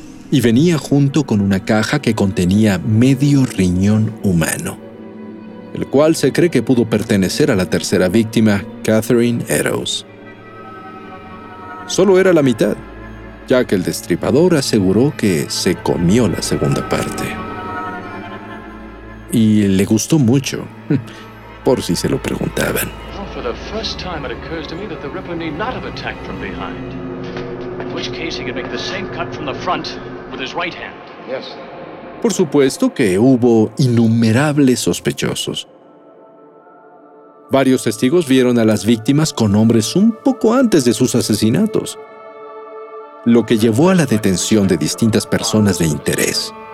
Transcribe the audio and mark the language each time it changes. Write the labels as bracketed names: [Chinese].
[Spanish] Y venía junto con una caja que contenía medio riñón humano, el cual se cree que pudo pertenecer a la tercera víctima, Catherine Eddowes. Solo era la mitad, ya que el destripador aseguró que se comió la segunda parte. Y le gustó mucho, por si se lo preguntaban. [English] For the first time it occurs to me that the Ripper need not have attacked from behind. In which case he could make the same cut from the front with his right hand. Yes. [Spanish] Por supuesto que hubo innumerables sospechosos. Varios testigos vieron a las víctimas con hombres un poco antes de sus asesinatos, lo que llevó a la detención de distintas personas de interés.